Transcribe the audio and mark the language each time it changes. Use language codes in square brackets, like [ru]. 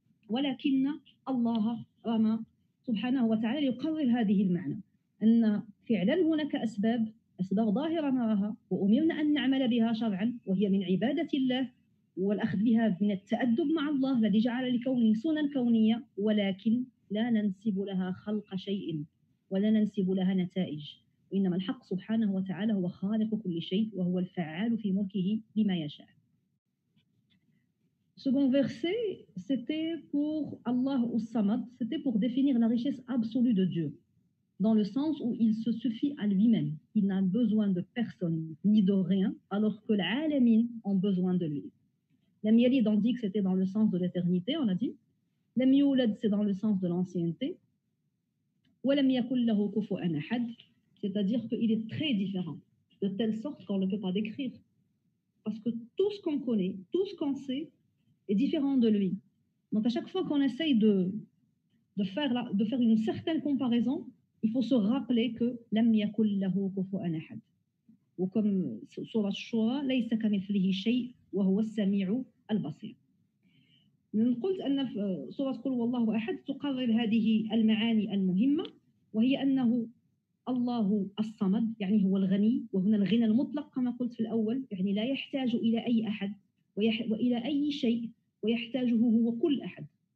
[ar] ولكن الله رمى سبحانه وتعالى، ليقرر هذه المعنى أن فعلا هناك أسباب، أسباب ظاهرة نراها وأمرنا أن نعمل بها شرعا، وهي من عبادة الله والأخذ بها من التأدب مع الله الذي جعل الكون سنن كونية، ولكن لا ننسب لها خلق شيء ولا ننسب لها نتائج، وإنما الحق سبحانه وتعالى هو خالق كل شيء وهو الفعال في ملكه لما يشاء. [fr] Second verset, c'était pour Allah al-Samad, c'était pour définir la richesse absolue de Dieu, dans le sens où il se suffit à lui-même, il n'a besoin de personne ni de rien, alors que l'alamin ont besoin de lui. Lam yalid, on dit que c'était dans le sens de l'éternité, on a dit. Lam yulad, c'est dans le sens de l'ancienneté. [ar] Walam yakul lahu kufuwan ahad, [fr] c'est-à-dire qu'il est très différent, de telle sorte qu'on ne peut pas décrire. Parce que tout ce qu'on connaît, tout ce qu'on sait, est différent de lui. Donc à chaque fois qu'on essaye de faire une certaine comparaison, il faut se rappeler que [ar] لم يكن له كفوا أحد. وكم سورة الشورى ليس كمثله شيء وهو السميع البصير. من قلت أن سورة قل هو الله أحد تقرر هذه المعاني المهمة، وهي أنه الله الصمد، يعني هو الغني، وهنا الغنى المطلق كما قلت في الأول، يعني لا يحتاج إلى أي أحد وإلى أي شيء، ويحتاجه هو كل أحد.